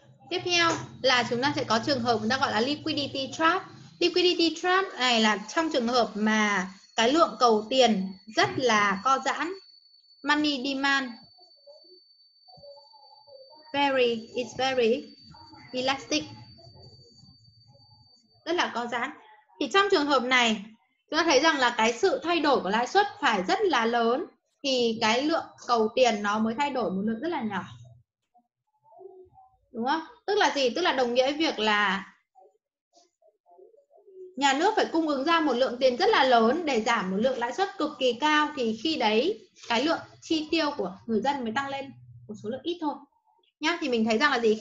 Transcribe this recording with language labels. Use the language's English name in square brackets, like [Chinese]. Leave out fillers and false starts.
[Vietnamese] Tiếp theo là chúng ta sẽ có trường hợp chúng ta gọi là liquidity trap. Liquidity trap này là trong trường hợp mà cái lượng cầu tiền rất là co giãn. [English] Money demand is very elastic. [Vietnamese] Rất là co giãn. Thì trong trường hợp này chúng ta thấy rằng là cái sự thay đổi của lãi suất phải rất là lớn thì cái lượng cầu tiền nó mới thay đổi một lượng rất là nhỏ. Đúng không? Tức là gì? Tức là đồng nghĩa với việc là nhà nước phải cung ứng ra một lượng tiền rất là lớn để giảm một lượng lãi suất cực kỳ cao, thì khi đấy cái lượng chi tiêu của người dân mới tăng lên một số lượng ít thôi. Nhá, thì mình thấy rằng là gì?